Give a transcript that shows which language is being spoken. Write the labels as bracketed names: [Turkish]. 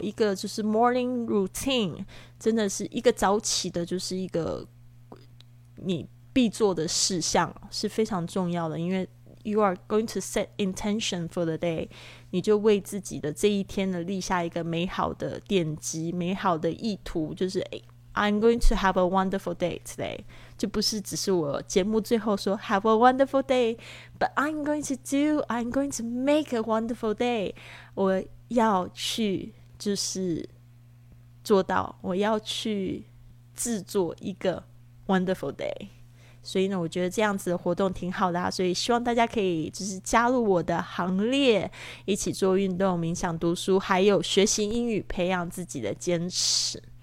[Chinese] 一个就是 morning routine, 真的是一个早起的就是一个你必做的事项是非常重要的，因为 [English] you are going to set intention for the day, [Chinese] 你就为自己的这一天的立下一个美好的奠基，美好的意图，就是 [English] I'm going to have a wonderful day today. [Chinese] 就不是只是我节目最后说 [English] have a wonderful day, but I'm going to make a wonderful day. [Chinese] 我要去就是做到，我要去制作一个 [English] wonderful day. [Chinese] 所以呢，我觉得这样子的活动挺好的、啊、所以希望大家可以就是加入我的行列，一起做运动、冥想、读书，还有学习英语，培养自己的坚持。